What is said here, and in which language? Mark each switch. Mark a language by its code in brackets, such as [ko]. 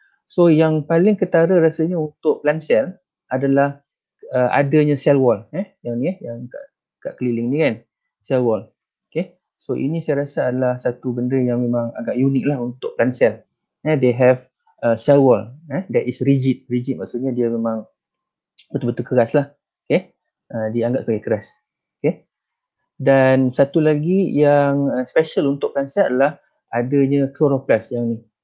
[ms] So yang paling ketara rasanya untuk plant cell adalah adanya cell wall, yang kat keliling ni kan, cell wall. So ini saya rasa adalah satu benda yang memang agak unik lah untuk plant cell. [en] They have a cell wall that is rigid. [ms] Rigid maksudnya dia memang betul-betul keras lah. Okay. Dianggap sebagai keras. Okay. Dan satu lagi yang special untuk plant cell adalah adanya chloroplast yang ni.